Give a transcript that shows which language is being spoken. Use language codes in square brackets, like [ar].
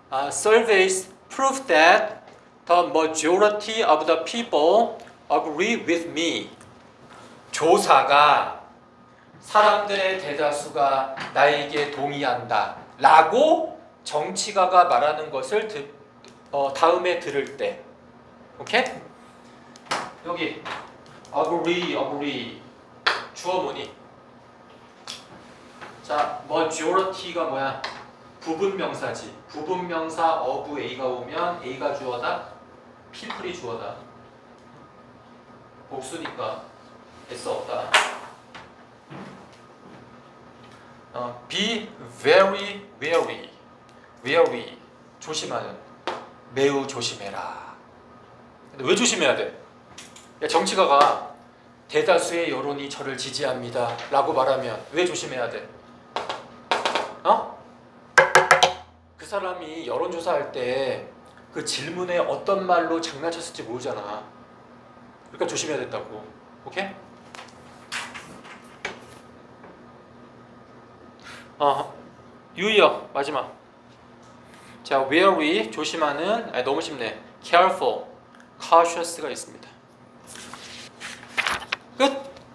[en] Surveys prove that the majority of the people agree with me. [ko] 조사가 사람들의 대다수가 나에게 동의한다 라고 정치가가 말하는 것을 다음에 들을 때 오케이? 여기 agree, agree. 주어 뭐니? 자, majority가 뭐야? 부분 명사지. 부분 명사 of A가 오면 A가 주어다. People이 주어다. 복수니까 S 없다. [en] Be very wary. Wary. 조심하는. [ko] 매우 조심해라. 근데 왜 조심해야 돼? 야, 정치가가 대다수의 여론이 저를 지지합니다 라고 말하면 왜 조심해야 돼? 어? 그 사람이 여론조사할 때 그 질문에 어떤 말로 장난쳤을지 모르잖아. 그러니까 조심해야 된다고. 오케이? 유의어 마지막. 자, wary 조심하는 아니 너무 쉽네. careful cautious가 있습니다. Good.